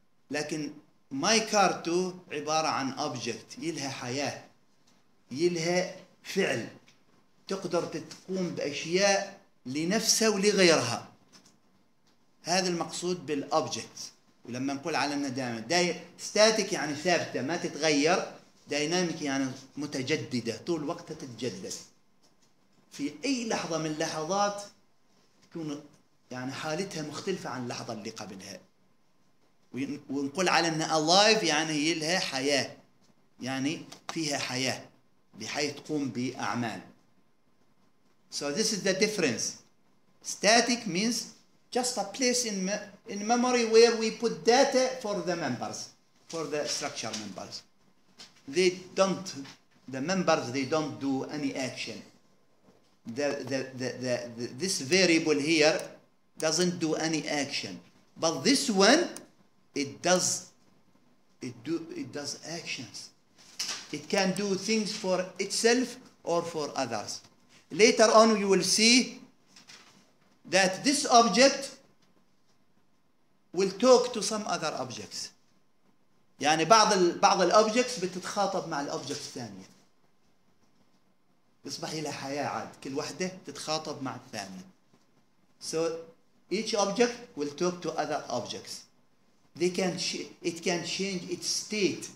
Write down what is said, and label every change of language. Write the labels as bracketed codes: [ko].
[ar] لكن my car two عبارة عن object يلها حياة يلها فعل تقدر تقوم بأشياء لنفسها ولغيرها هذا المقصود بالأوبجكت ولما نقول على أنها دائما ستاتيك يعني ثابتة ما تتغير دايناميك يعني متجددة طول وقتها تتجدد في أي لحظة من اللحظات تكون يعني حالتها مختلفة عن اللحظة اللي قبلها ونقول على أنها alive يعني لها حياة يعني فيها حياة بحيث تقوم بأعمال [en] So this is the difference. Static means just a place in memory where we put data for the members, for the structure members. The members don't do any action. This variable here doesn't do any action. But this one, it does actions. It can do things for itself or for others. Later on, you will see that this object will talk to some other objects. [ar] يعني بعض الobjects بتتخاطب مع الobjects الثانية. بيصبح لها حياة عاد كل واحدة تتخاطب مع الثانية. [en] So each object will talk to other objects. It can change its state.